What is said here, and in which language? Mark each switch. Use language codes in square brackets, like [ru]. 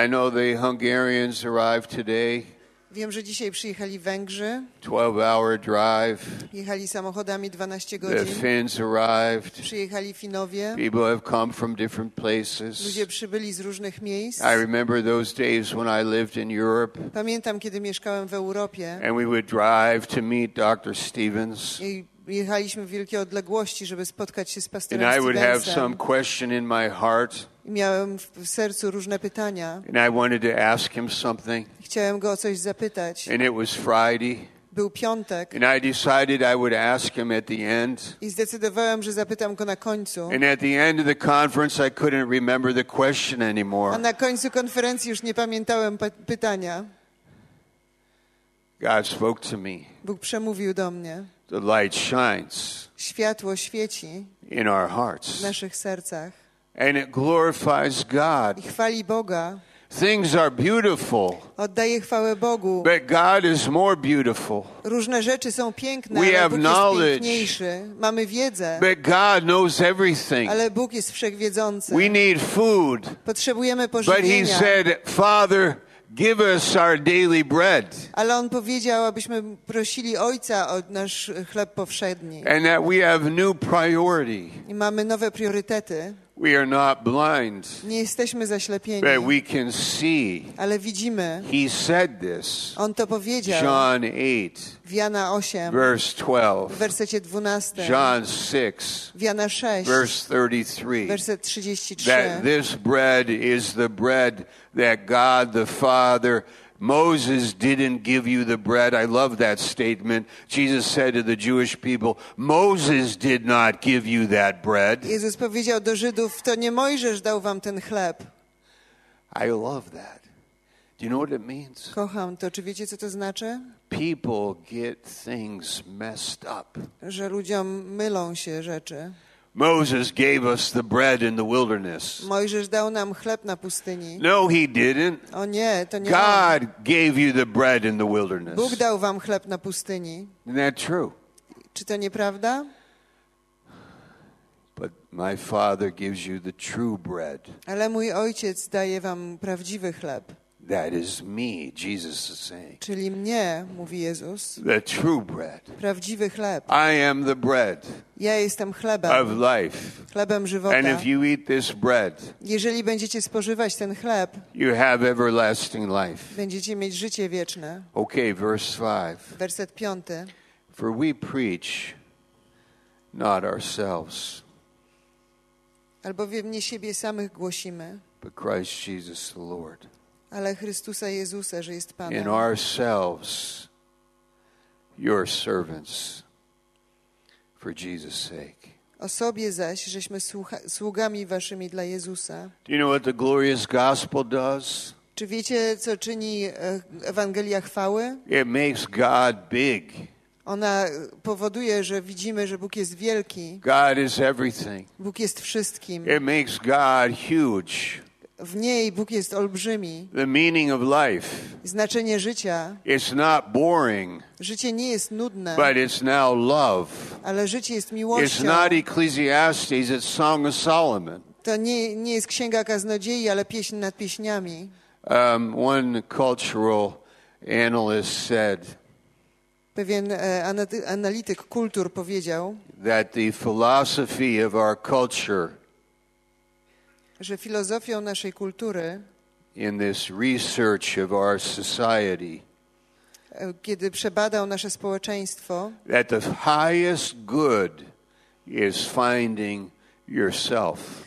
[en] I know the Hungarians arrived today. [pl] Wiem, że dzisiaj przyjechali Węgrzy. [en] 12-hour drive. [pl] Jechali samochodami 12 godzin. [en] The Finns arrived. [pl] Przyjechali Finowie. [en] People have come from different places. [pl] Ludzie przybyli z różnych miejsc. [en] I remember those days when I lived in Europe. [pl] Pamiętam, kiedy mieszkałem w Europie. [en] And we would drive to meet Dr. Stevens. [pl] I jechaliśmy w wielkie odległości, żeby spotkać się z pastorem Stevensem. [en] And I would have some question in my heart. [pl] Miałem w sercu różne pytania. [en] And I wanted to ask him something. [pl] Chciałem go o coś zapytać. [en] And it was Friday. [pl] Był piątek. [en] And I decided I would ask him at the end. [pl] I zdecydowałem, że zapytam go na końcu. [en] And at the end of the conference I couldn't remember the question anymore. [pl] A na końcu konferencji już nie pamiętałem pytania. [en] God spoke to me. [pl] Bóg przemówił do mnie. [en] The light shines. [pl] Światło świeci. [en] In our hearts. [pl] W naszych sercach. [en] And it glorifies God. [pl] I chwali Boga. [en] Things are beautiful. [pl] Oddaję chwałę Bogu. [en] But God is more beautiful. [pl] Różne rzeczy są piękne, [en] we [pl] ale [en] have [pl] Bóg [en] knowledge, [pl] jest piękniejszy. Mamy wiedzę. [en] But God knows everything. [pl] Ale Bóg jest wszechwiedzący. [en] We need food. [pl] Potrzebujemy pożywienia. [en] But he said, Father, give us our daily bread. [pl] Ale on powiedział, abyśmy prosili Ojca o nasz chleb powszedni. [en] And that we have new priority. [pl] I mamy nowe priorytety. [en] We are not blind. [pl] Nie jesteśmy zaślepieni. [en] But we can see. [pl] Ale widzimy. [en] He said this. [pl] On to powiedział. [en] John 8. [pl] W Jana 8. [en] Verse 12. [pl] W wersecie 12. [en] John 6. [pl] W Jana 6. [en] Verse 33. [pl] Werset 33. [en] That this bread is the bread that God the Father. Moses didn't give you the bread. I love that statement. Jesus said to the Jewish people, Moses did not give you that bread. [pl] Jezus powiedział do Żydów, to nie Mojżesz dał wam ten chleb. [en] I love that. Do you know what it means? [pl] Kocham to. Czy wiecie, co to znaczy? [en] People get things messed up. [pl] Że ludziom mylą się rzeczy. [en] Moses gave us the bread in the wilderness. [pl] Mojżesz dał nam chleb na pustyni. [en] No, he didn't. [pl] O nie, to nie. [en] God gave you the bread in the wilderness. [pl] Bóg dał wam chleb na pustyni. [en] Isn't that true? [pl] Czy to nieprawda? [en] But My father gives you the true bread. [pl] Ale mój ojciec daje wam prawdziwy chleb. [en] That is me, Jesus is saying. [pl] Czyli mnie, mówi Jezus. [en] The true bread. [pl] Prawdziwy chleb. [en] I am the bread. [pl] Ja jestem chlebem. [en] Of life. [pl] Chlebem żywota. [en] And if you eat this bread. [pl] Jeżeli będziecie spożywać ten chleb. [en] You have everlasting life. [pl] Będziecie mieć życie wieczne. [en] Okay, verse 5. [pl] Werset 5. [en] For we preach not ourselves. [pl] Albowiem nie siebie samych głosimy. [en] But Christ Jesus the Lord. [pl] Ale Chrystusa Jezusa, że jest Panem. [en] In ourselves, your servants, for Jesus' sake. [pl] O sobie zaś, żeśmy sługami waszymi dla Jezusa. [en] Do you know what the glorious gospel does? [pl] Czy wiecie, co czyni Ewangelia Chwały? [en] It makes God big. [pl] Ona powoduje, że widzimy, że Bóg jest wielki. [en] God is everything. [pl] Bóg jest wszystkim. [en] It makes God huge. [pl] W niej Bóg jest olbrzymi. [en] The meaning of life. [pl] Znaczenie życia. [en] It's not boring. [pl] Życie nie jest nudne. [en] But it's now love. [pl] Ale życie jest miłością. [en] It's not Ecclesiastes, it's Song of Solomon. [pl] To nie jest Księga Kaznodziei, ale Pieśń nad Pieśniami. [en] One cultural analyst said. [pl] Pewien analityk kultur powiedział, [en] that the philosophy of our culture, [pl] że filozofią naszej kultury, [en] in this research of our society, [pl] kiedy przebadał nasze społeczeństwo, [en] that the highest good is finding yourself,